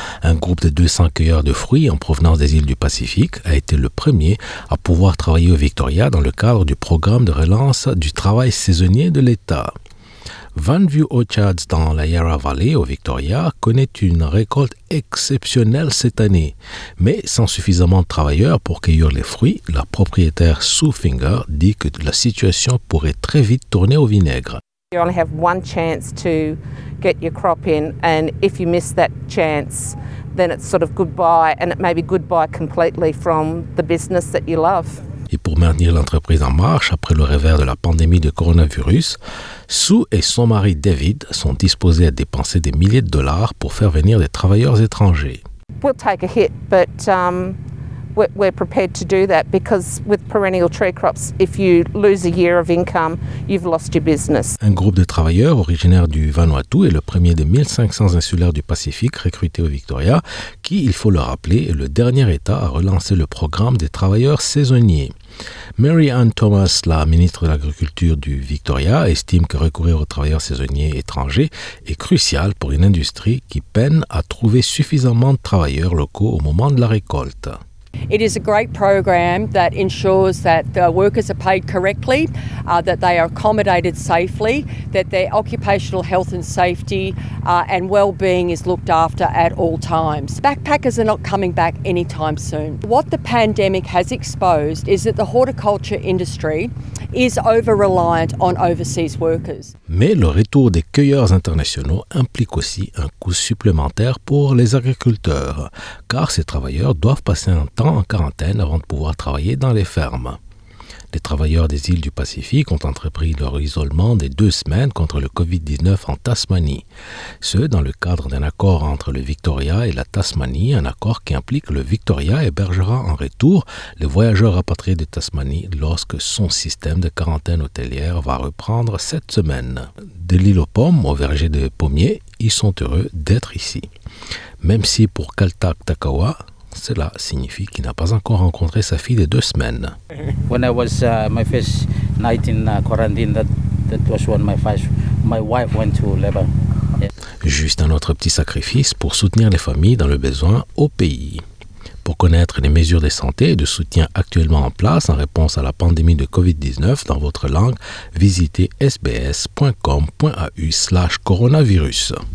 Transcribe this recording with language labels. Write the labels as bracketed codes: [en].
[fr] Un groupe de 200 cueilleurs de fruits en provenance des îles du Pacifique a été le premier à pouvoir travailler au Victoria dans le cadre du programme de relance du travail saisonnier de l'État. Vanview Orchards dans la Yarra Valley au Victoria connaît une récolte exceptionnelle cette année, mais sans suffisamment de travailleurs pour cueillir les fruits, la propriétaire Sue Finger dit que la situation pourrait très vite tourner au vinaigre. [en] You only have one chance to get your crop in, and if you miss that chance, then it's sort of goodbye, and it may be goodbye completely from the business that you love. [fr] Et pour maintenir l'entreprise en marche après le revers de la pandémie de coronavirus, Sue et son mari David sont disposés à dépenser des milliers de dollars pour faire venir des travailleurs étrangers. [en] We'll take a hit, but we're prepared to do that because with perennial tree crops, if you lose a year of income, you've lost your business. [fr] Un groupe de travailleurs originaires du Vanuatu est le premier des 1500 insulaires du Pacifique recrutés au Victoria, qui, il faut le rappeler, est le dernier État à relancer le programme des travailleurs saisonniers. Mary Ann Thomas, la ministre de l'Agriculture du Victoria, estime que recourir aux travailleurs saisonniers étrangers est crucial pour une industrie qui peine à trouver suffisamment de travailleurs locaux au moment de la récolte. [en] It is a great program that ensures that the workers are paid correctly, that they are accommodated safely, that their occupational health and safety and well-being is looked after at all times. Backpackers are not coming back anytime soon. What the pandemic has exposed is that the horticulture industry is over-reliant on overseas workers. [fr] Mais le retour des cueilleurs internationaux implique aussi un coût supplémentaire pour les agriculteurs, car ces travailleurs doivent passer un temps en quarantaine avant de pouvoir travailler dans les fermes. Les travailleurs des îles du Pacifique ont entrepris leur isolement des 2 semaines contre le COVID-19 en Tasmanie. Ce, dans le cadre d'un accord entre le Victoria et la Tasmanie, un accord qui implique que le Victoria hébergera en retour les voyageurs rapatriés de Tasmanie lorsque son système de quarantaine hôtelière va reprendre cette semaine. De l'île aux pommes, au verger de pommiers, ils sont heureux d'être ici. Même si pour Kaltak Takawa, cela signifie qu'il n'a pas encore rencontré sa fille de 2 semaines. [en] When I was my first night in quarantine, that was when my wife went to labor. Yeah. [fr] Juste un autre petit sacrifice pour soutenir les familles dans le besoin au pays. Pour connaître les mesures de santé et de soutien actuellement en place en réponse à la pandémie de COVID-19 dans votre langue, visitez sbs.com.au/coronavirus.